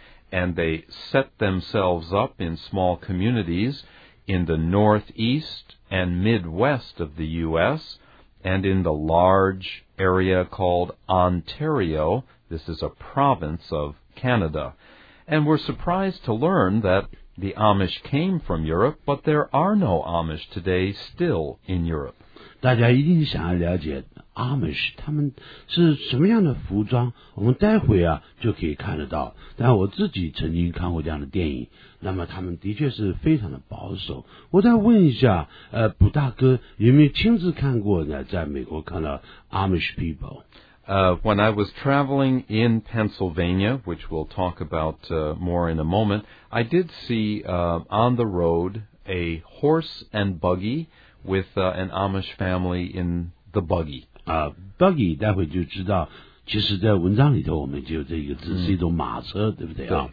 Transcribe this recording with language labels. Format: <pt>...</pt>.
<en>And they set themselves up in small communities in the northeast and midwest of the U.S., and in the large area called Ontario, this is a province of Canada, and we're surprised to learn that the Amish came from Europe, but there are no Amish today still in Europe.</en> <zh>大家一定想要了解 Amish, 他们是什么样的服装我们待会啊就可以看得到。但我自己曾经看过这样的电影那么他们的确是非常的保守。我再问一下卜大哥有没有亲自看过呢在美国看到 Amish people?</zh> <en>When I was traveling in Pennsylvania, which we'll talk about more in a moment, I did see on the road a horse and buggy with an Amish family in the buggy.</en> <zh>Buggy, 待会就知道其实在文章里头我们就这个字是一种马车、对不对啊</zh>